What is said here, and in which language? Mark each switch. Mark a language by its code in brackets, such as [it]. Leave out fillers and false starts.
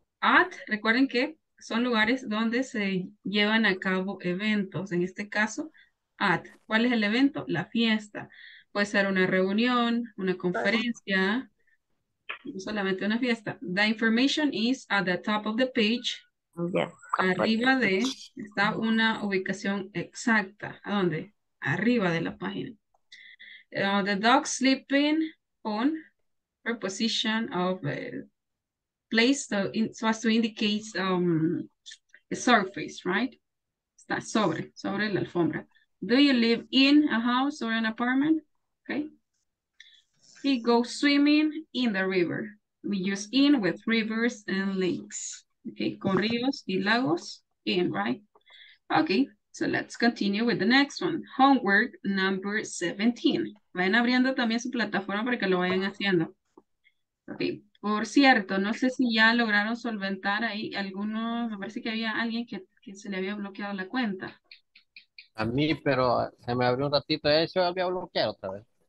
[es] At, recuerden que son lugares donde se llevan a cabo eventos. En este caso, at. ¿Cuál es el evento? La fiesta. Puede ser una reunión, una conferencia, no solamente una fiesta. [en] The information is at the top of the page. Yeah. [es] Arriba de está una ubicación exacta. ¿A dónde? Arriba de la página. [en] The dog sleeping on preposition of place, so, in, so as to indicate a surface, right? [es] Está sobre la alfombra. [en] Do you live in a house or an apartment? Okay. He goes swimming in the river. We use in with rivers and lakes. Okay, [es] con ríos y lagos, [en] in, right? Okay, so let's continue with the next one. Homework number 17. [es] Vayan abriendo también su plataforma para que lo vayan haciendo. Okay, por cierto, no sé si ya lograron solventar ahí algunos. Me parece que había alguien que se le había bloqueado la cuenta. A mí, pero se me abrió un ratito eso, había bloqueado otra vez.